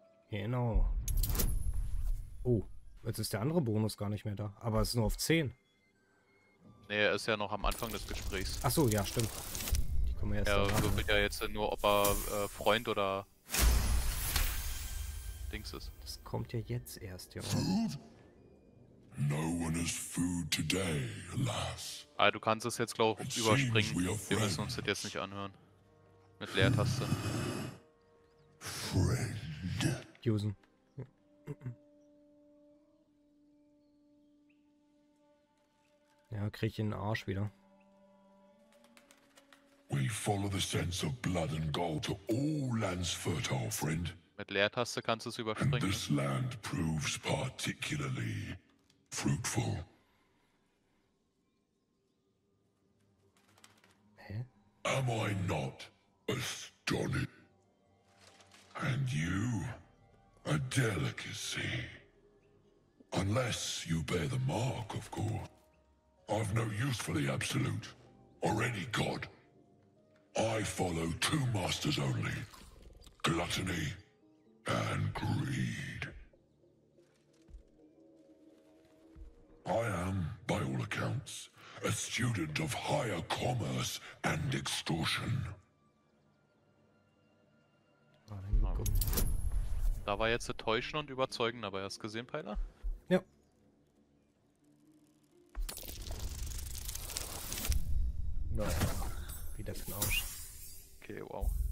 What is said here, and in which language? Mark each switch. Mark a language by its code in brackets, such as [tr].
[de] Genau. Oh, jetzt ist der andere Bonus gar nicht mehr da. Aber es ist nur auf 10. Nee, er ist ja noch am Anfang des Gesprächs. Achso, ja, stimmt. Die kommen erst. Er würfelt ja jetzt nur, ob er Freund oder Dings ist. Das kommt ja jetzt erst, ja. [en] No one has food today, alas. [de] Ah, du kannst es jetzt, glaube ich, überspringen. Wir müssen uns das jetzt nicht anhören. Mit Leertaste. [en] Friend. [de] Jusen. Ja, krieg ich in den Arsch wieder. [en] We follow the sense of blood and gold to all lands fertile, friend. [de] Mit Leertaste kannst du es überspringen. [en] This land proves particularly fruitful. [de] Hä? [en] Am I not astonished? And you, a delicacy. Unless you bear the mark, of course. I've no use for the absolute, or any god. I follow two masters only, gluttony and greed. I am, by all accounts, a student of higher commerce and extortion. [de] Da war jetzt täuschen und überzeugen dabei, hast du gesehen, Peiler? Ja. No. Wieder für den Arsch. Okay, wow.